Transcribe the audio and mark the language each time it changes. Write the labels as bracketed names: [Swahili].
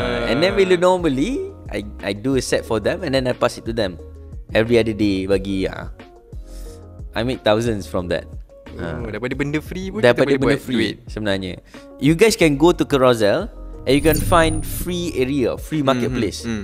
[English] And then [Malay] bila diorang beli, [English] I do a set for them, and then I pass it to them every other day. [Malay] Bagi [English] I make thousands from that. [Malay] Daripada benda free pun daripada kita boleh buat duit sebenarnya. [English] You guys can go to Carousel and you can find free area, free marketplace.